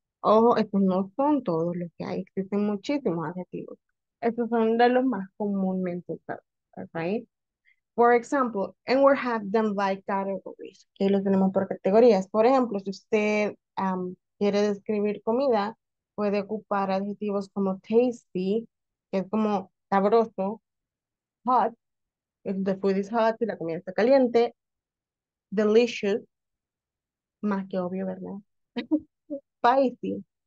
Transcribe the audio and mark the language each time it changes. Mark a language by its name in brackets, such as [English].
[Spanish] Ojo, estos no son todos los que hay. Existen muchísimos adjetivos. Estos son de los más comúnmente usados, right? [English] For example, and we have them by categories. [Spanish] Okay, los tenemos por categorías. Por ejemplo, si usted quiere describir comida, puede ocupar adjetivos como tasty, que es como sabroso. [English] Hot, if the food is hot, [Spanish] si la comida está caliente. Delicious, más que obvio, ¿verdad? Spicy.